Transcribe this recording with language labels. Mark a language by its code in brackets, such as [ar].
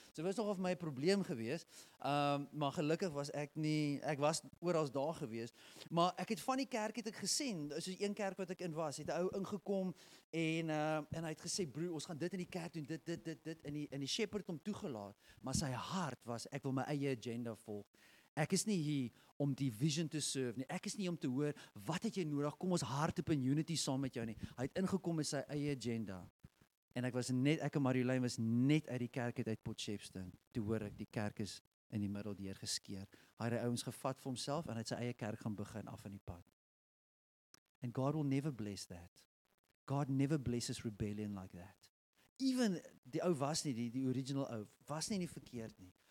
[af] So dit was nog of my probleem gewees. Maar gelukkig was ek nie, ek was oral daar gewees, maar ek het van die kerk het ek gesien, soos een kerk wat ek in was, het 'n ou ingekom en hy het gesê, "Broer, ons gaan dit in die kerk doen, dit in die shepherd hom toegelaat." Maar sy hart was, ek wil my eie agenda volg. Ek is nie hier om die vision te serve nie. Ek is nie om te hoor, wat het jy nodig? Kom ons hart op in unity saam met jou nie. Hy het ingekom met sy eie agenda. En ek en Marjolein was net uit die kerk uit Potchefstroom. Toe hoor ek, die kerk is in die middel deur geskeer. Hy het die ouens gevat vir homself en hy het sy eie kerk gaan begin af in die pad. [en] And God will never bless that. God never blesses rebellion like that. [af] Even die ou was nie, die original ou, was nie verkeerd nie.